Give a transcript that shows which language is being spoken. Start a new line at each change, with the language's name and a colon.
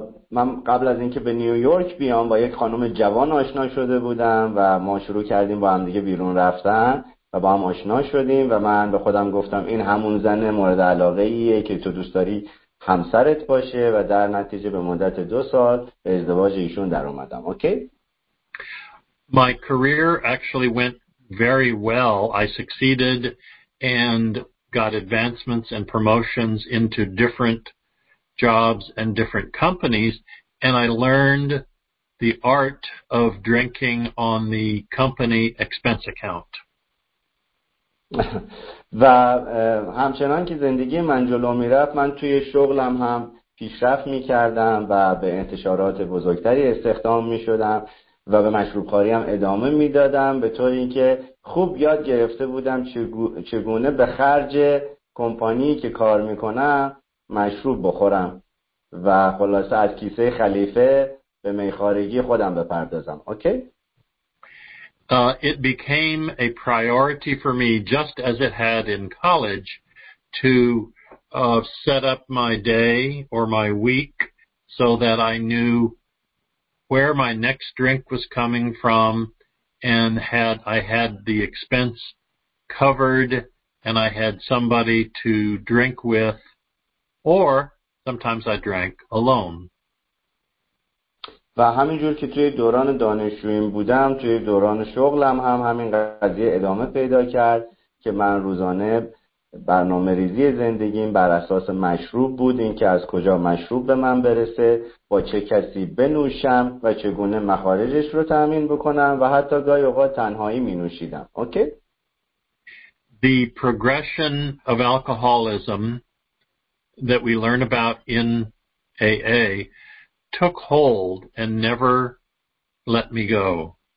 Persian: من قبل از اینکه به نیویورک بیام با یک خانم جوان آشنا شده بودم و ما شروع کردیم با هم دیگه بیرون رفتن و با هم آشنا شدیم و من به خودم گفتم این همون زن مورد علاقه ایه که تو دوست داری همسرت باشه و در نتیجه به مدت 2 سال به ازدواج ایشون در اومدم.
English: Okay? My career actually went very well. I succeeded and got advancements and promotions into different jobs and different companies, and I learned the art of drinking on the company expense account.
Persian: و همچنان که زندگی من جلو می رفت، من توی شغلم هم پیشرفت می کردم و به انتشارات بزرگتری استخدام می شدم و به مشروبخواری هم ادامه می دادم، به طور اینکه خوب یاد گرفته بودم چگونه به خرج کمپانی که کار می کنم مشروب بخورم و خلاصه از کیسه خلیفه به میخوارگی خودم بپردازم.
English: Okay? It became a priority for me, just as it had in college, to set up my day or my week so that I knew where my next drink was coming from and I had the expense covered and I had somebody to drink with. Or sometimes I drank alone.
Persian: و همینجور که توی دوران دانشجویم بودم، توی دوران شغلم هم همین قضیه ادامه پیدا کرد که من روزانه برنامه ریزی زندگیم بر اساس مشروب بود، اینکه از کجا مشروب به من برسه، با چه کسی بنوشم و چگونه مخارجش رو تأمین بکنم و حتی گاهی اوقات تنهایی می نوشیدم.
English: Okay? The progression of alcoholism that we learn about in AA took hold and never let me go.